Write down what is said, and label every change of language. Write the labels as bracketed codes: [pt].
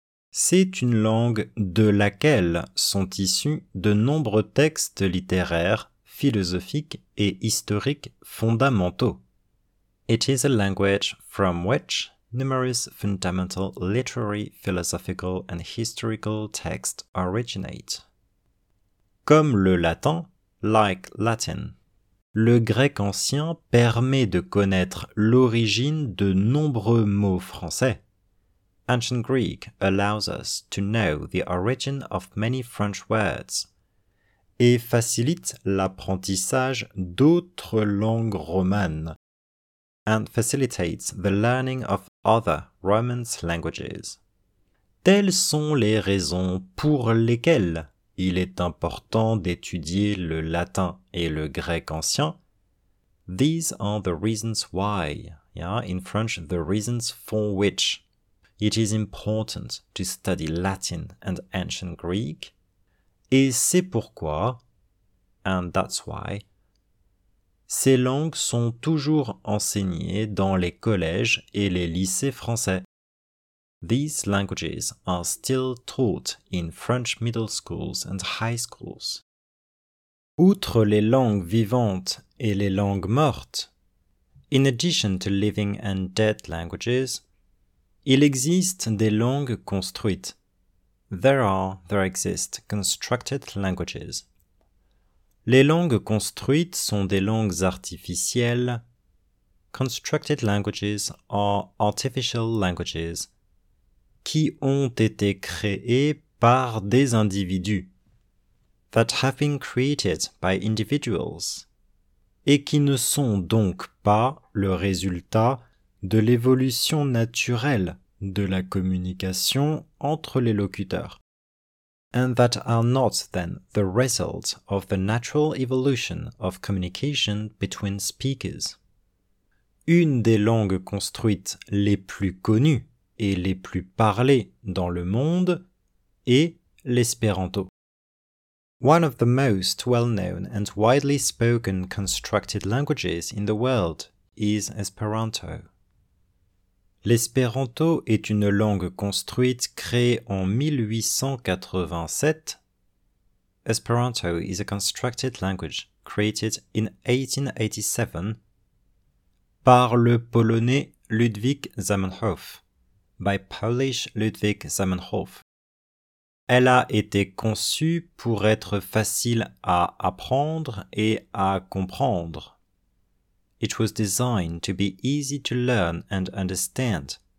[fr] c'est une langue de laquelle sont issus de nombreux textes littéraires, philosophiques et historiques fondamentaux. [en] It is a language from which numerous fundamental literary, philosophical and historical texts originate. [fr] Comme le latin, [en] like Latin, [fr] Le grec ancien permet de connaître l'origine de nombreux mots français. [en] Ancient Greek allows us to know the origin of many French words [fr] et facilite l'apprentissage d'autres langues romanes [en] and facilitates the learning of other Roman languages. [fr] Telles sont les raisons pour lesquelles il est important d'étudier le latin et le grec ancien. [en] These are the reasons why, in French, the reasons for which. It is important to study Latin and ancient Greek. [fr] Et c'est pourquoi, [en] and that's why, [fr] ces langues sont toujours enseignées dans les collèges et les lycées français. [en] These languages are still taught in French middle schools and high schools. [fr] Outre les langues vivantes et les langues mortes, [en] in addition to living and dead languages, [fr] il existe des langues construites. [en] There exist constructed languages. [fr] Les langues construites sont des langues artificielles. [en] Constructed languages are artificial languages [fr] qui ont été créées par des individus. [en] That have been created by individuals [fr] et qui ne sont donc pas le résultat de l'évolution naturelle de la communication entre les locuteurs. [en] And that are not then the result of the natural evolution of communication between speakers. [fr] Une des langues construites les plus connues et les plus parlées dans le monde est l'espéranto. [en] One of the most well-known and widely spoken constructed languages in the world is Esperanto. [fr] L'espéranto est une langue construite créée en 1887. [en] Esperanto is a constructed language created in 1887 [fr] par le polonais Ludwig Zamenhof. [en] By Polish Ludwig Zamenhof. [fr] Elle a été conçue pour être facile à apprendre et à comprendre. [en] It was designed to be easy to learn and understand